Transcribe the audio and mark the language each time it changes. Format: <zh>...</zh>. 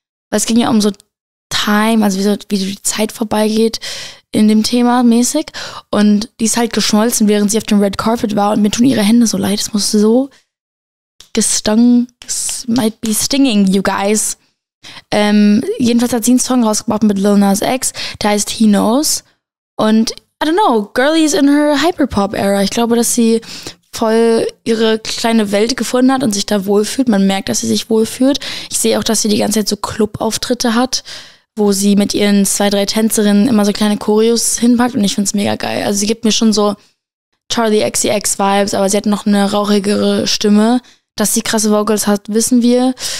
<de>Weil es ging ja um so Time, also wie die Zeit vorbeigeht. In dem Thema mäßig. Und die ist halt geschmolzen, während sie auf dem Red Carpet war. Und mir tun ihre Hände so leid. Es muss so gestung.</de> <en>It might be stinging, you guys.</en> <de>Jedenfalls hat sie einen Song rausgebracht mit Lil Nas X. Der heißt He Knows.</de> <en>Und I don't know, Girlie is in her Hyperpop-Era.</en> <de>Ich glaube, dass sie voll ihre kleine Welt gefunden hat und sich da wohlfühlt. Man merkt, dass sie sich wohlfühlt. Ich sehe auch, dass sie die ganze Zeit so Club-Auftritte hat, wo sie mit ihren 2-3 Tänzerinnen immer so kleine Choreos hinpackt und ich find's mega geil. Also sie gibt mir schon so Charlie XCX Vibes, aber sie hat noch eine rauchigere Stimme. Dass sie krasse Vocals hat, wissen wir.</de>